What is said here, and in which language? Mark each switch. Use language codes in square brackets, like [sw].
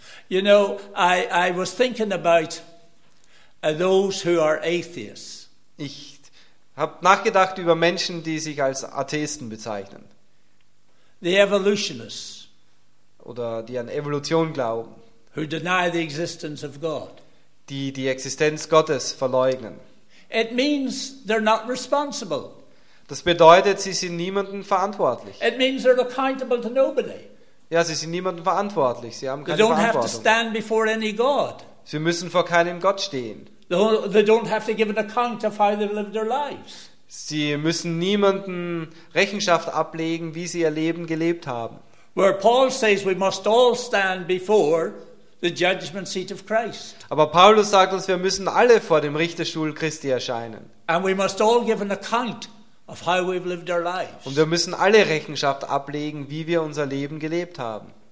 [en] You know, I was thinking about those who are atheists. [de] Ich habe nachgedacht über Menschen, die sich als Atheisten bezeichnen. [en] The evolutionists. [de] Oder die an Evolution glauben. [en] Who deny the existence of God. [de] Die Existenz Gottes verleugnen. [en] It means they're not responsible. [de] Das bedeutet, sie sind niemandem verantwortlich. [en] It means they're accountable to nobody. [de] Ja, sie sind niemandem verantwortlich. Sie haben keine [en] they don't [de] Verantwortung. [en] Have to stand before any God. [de] Sie müssen vor keinem Gott stehen. [en] They don't have to give an account of how they've lived their lives. [de] Sie müssen niemandem Rechenschaft ablegen, wie sie ihr Leben gelebt haben. [en] Where Paul says we must all stand before the judgment seat of Christ. [de] Aber Paulus sagt uns, wir müssen alle vor dem Richterstuhl Christi erscheinen. [en] And we must all give an account of how we've lived our lives. [de] Und wir müssen alle Rechenschaft ablegen, wie wir unser Leben gelebt haben.